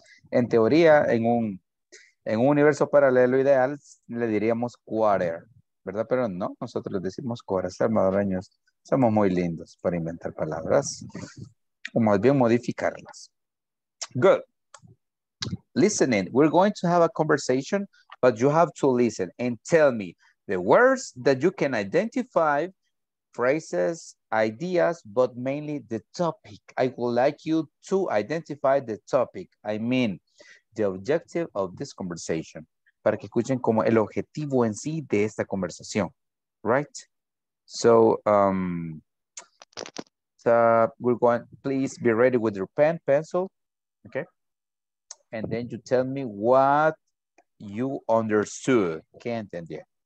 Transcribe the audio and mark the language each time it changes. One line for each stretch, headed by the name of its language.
Spanish: En teoría, en un universo paralelo ideal, le diríamos quarter, ¿verdad? Pero no, nosotros le decimos Cora. Salvadoreños, somos muy lindos para inventar palabras, o más bien modificarlas.
English: Good. Listening. We're going to have a conversation, but you have to listen and tell me the words that you can identify, phrases, ideas, but mainly the topic. I would like you to identify the topic. I mean, the objective of this conversation.
Spanish: Para que escuchen como el objetivo en sí de esta conversación.
English: Right? So, we're going, please be ready with your pen, pencil. Okay? And then you tell me what you understood.
Spanish: ¿Qué entendía?